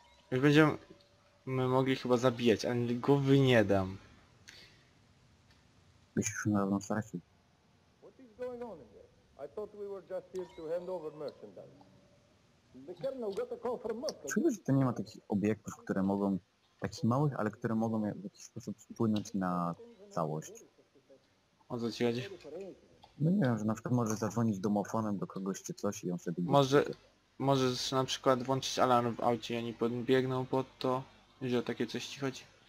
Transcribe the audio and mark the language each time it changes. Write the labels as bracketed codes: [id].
[pl] Już będziemy mogli chyba zabijać, ale głowy nie dam. Myślisz, że na pewno stracił. [en] What is going on in here? I thought we were just here to hand over merchandise. The colonel got a call from Moscow. [pl] Czuję, że to nie ma takich obiektów, które mogą... takich małych, ale które mogą w jakiś sposób wpłynąć na całość. O co ci chodzi? No nie wiem, że na przykład możesz zadzwonić domofonem do kogoś czy coś i on wtedy... Możesz na przykład włączyć alarm w aucie i oni biegną pod to, że o takie coś ci chodzi?